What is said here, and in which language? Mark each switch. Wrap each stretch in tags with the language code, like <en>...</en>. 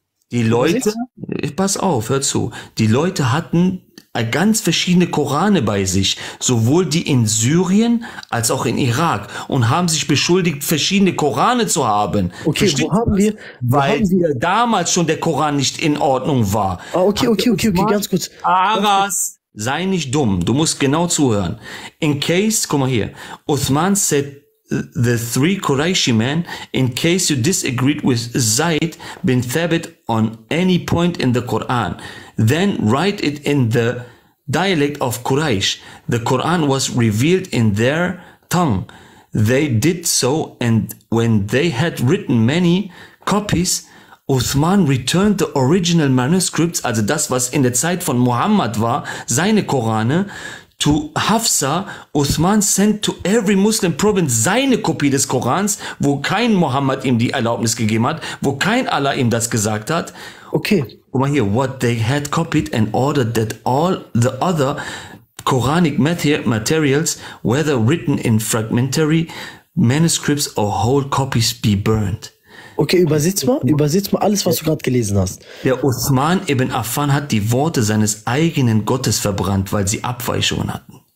<de>Die Leute, pass auf, hör zu, die Leute hatten ganz verschiedene Korane bei sich, sowohl die in Syrien als auch in Irak und haben sich beschuldigt, verschiedene Korane zu haben. Okay, Weil damals schon der Koran nicht in Ordnung war. Okay, ganz kurz. Aras, sei nicht dumm, du musst genau zuhören.</de> <en>In case,</en> <de>guck mal hier,</de> <en>Uthman said, the three Quraishi men, in case you disagreed with Zaid bin Thabit on any point in the Quran, then write it in the dialect of Quraysh. The Quran was revealed in their tongue. They did so, and when they had written many copies, Uthman returned the original manuscripts,</en> <de>also das, was in der Zeit von Muhammad war, seine Korane,</de> <en>to Hafsa. Uthman sent to every Muslim province</en> <de>seine Kopie des Korans, wo kein Muhammad ihm die Erlaubnis gegeben hat, wo kein Allah ihm das gesagt hat. Okay. Guck mal hier,</de> <en>what they had copied and ordered that all the other Quranic materials, whether written in fragmentary manuscripts or whole copies, be burned.</en> <de>Okay, übersetz mal alles, was du gerade gelesen hast. Der Uthman ibn Affan hat die Worte seines eigenen Gottes verbrannt, weil sie Abweichungen hatten.</de>